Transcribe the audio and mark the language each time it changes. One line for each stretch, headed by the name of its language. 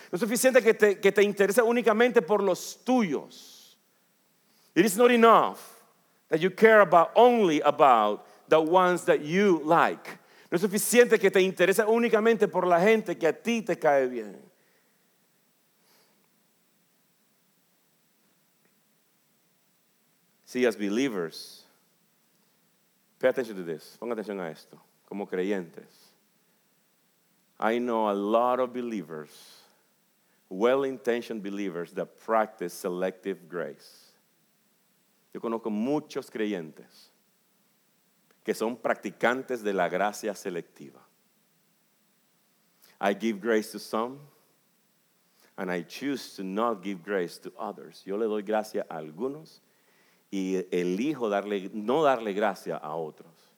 Spanish: No es suficiente que te interese únicamente por los tuyos.
English: It is not enough that you care about only about the ones that you like.
Spanish: No es suficiente que te interese únicamente por la gente que a ti te cae bien.
English: See, as believers, pay attention to this.
Spanish: Ponga atención a esto. Como creyentes,
English: I know a lot of believers, well-intentioned believers, that practice selective grace.
Spanish: Yo conozco muchos creyentes que son practicantes de la gracia selectiva.
English: I give grace to some, and I choose to not give grace to others.
Spanish: Yo le doy gracia a algunos, y elijo no darle gracia a otros.